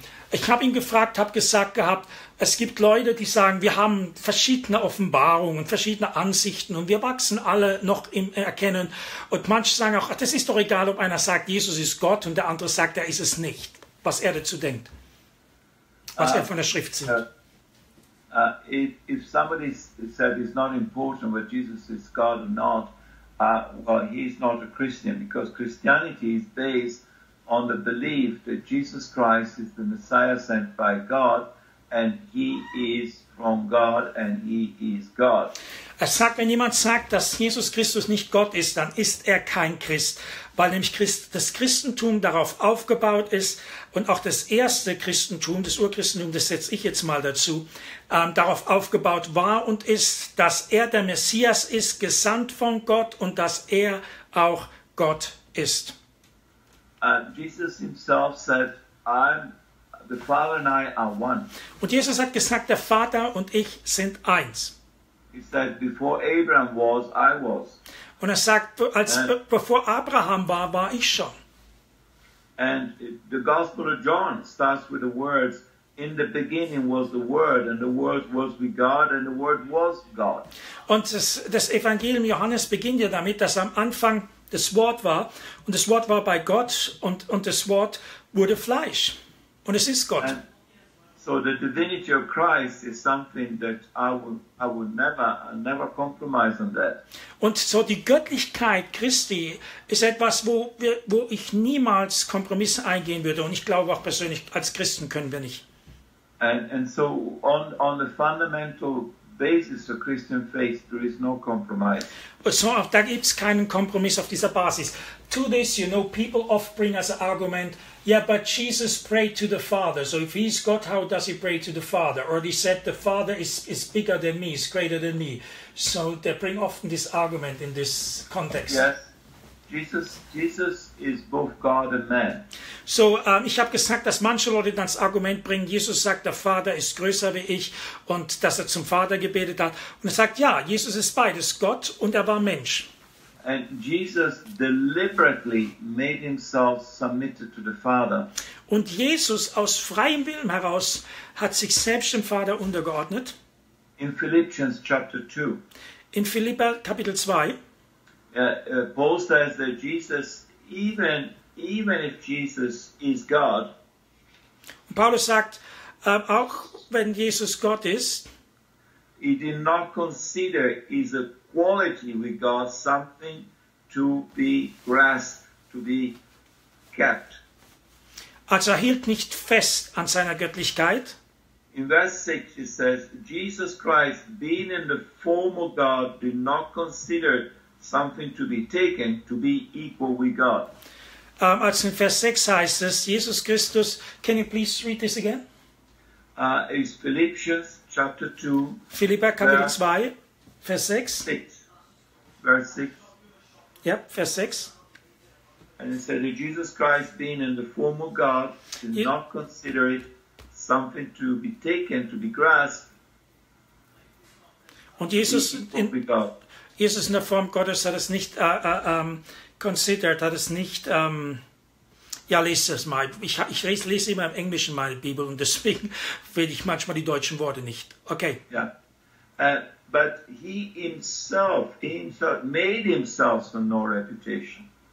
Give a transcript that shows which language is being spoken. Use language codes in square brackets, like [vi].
[de] Ich habe ihn gefragt, habe gesagt gehabt, es gibt Leute, die sagen, wir haben verschiedene Offenbarungen, verschiedene Ansichten und wir wachsen alle noch im Erkennen. Und manche sagen auch, ach, das ist doch egal, ob einer sagt, Jesus ist Gott und der andere sagt, er ist es nicht. Was er dazu denkt, was er von der Schrift sieht. [en] If somebody said it's not important whether Jesus is God or not, well, he is not a Christian, because Christianity is based on the belief that Jesus Christ is the Messiah sent by God, and he is from God, and he is God. [de] Er sagt, wenn jemand sagt, dass Jesus Christus nicht Gott ist, dann ist er kein Christ, weil nämlich das Christentum darauf aufgebaut ist und auch das erste Christentum, das Urchristentum, das setze ich jetzt mal dazu, darauf aufgebaut war und ist, dass er der Messias ist, gesandt von Gott und dass er auch Gott ist. [en] Jesus himself said, the Father and I are one. [de] Und Jesus hat gesagt, der Vater und ich sind eins. [en] He said, before Abraham was, I was. [de] Und er sagt, bevor Abraham war, war ich schon. [en] And the Gospel of John starts with the words, in the beginning was the Word, and the Word was with God, and the Word was God. [de] Und das Evangelium Johannes beginnt ja damit, dass am Anfang das Wort war, und das Wort war bei Gott, und das Wort wurde Fleisch. Und es ist Gott. [en] So the divinity of Christ is something that I will never compromise on that. [de] Und so die Göttlichkeit Christi ist etwas, wo ich niemals Kompromisse eingehen würde. Und ich glaube auch persönlich, als Christen können wir nicht. [en] And so on the fundamental basis of Christian faith, there is no compromise. [de] So da gibt's keinen Kompromiss auf dieser Basis. [en] To this, you know, people [de] oft [en] bring as an argument, yeah, but Jesus prayed to the Father. So if he's God, how does he pray to the Father? Or they said, the Father is bigger than me, is greater than me. So they bring often this argument in this context. Yes, Jesus is both God and man. [de] So ich habe gesagt, dass manche Leute dann das Argument bringen, Jesus sagt, der Vater ist größer wie ich und dass er zum Vater gebetet hat. Und er sagt, ja, Jesus ist beides, Gott und er war Mensch. [en] And Jesus deliberately made himself submitted to the Father. [de] Und Jesus aus freiem Willen heraus hat sich selbst dem Vater untergeordnet. [en] In Philippians chapter 2. [de] In Philipper Kapitel 2. [en] Paul says that Jesus, even if Jesus is God. [de] Und Paulus sagt, auch wenn Jesus Gott ist. [en] He did not consider his equality with God something to be grasped, to be kept. [de] Also er hielt nicht fest an seiner Göttlichkeit. [en] In verse 6 it says, Jesus Christ, being in the form of God, did not consider something to be taken, to be equal with God. [de] Also in Vers 6 heißt es, Jesus Christus, [en] can you please read this again? It's Philippians chapter 2. [de] Philippa Kapitel 2. Vers 6. Vers 6. [en] And it said that Jesus Christ, being in the form of God, did not consider it something to be taken, to be grasped. [de] Und Jesus in der Form Gottes hat es nicht considered, hat es nicht. Ja, lese es mal. Ich lese immer im Englischen meine Bibel und deswegen finde ich manchmal die deutschen Worte nicht. [en] Okay. [de] Ja. [en] But he himself made himself of no reputation.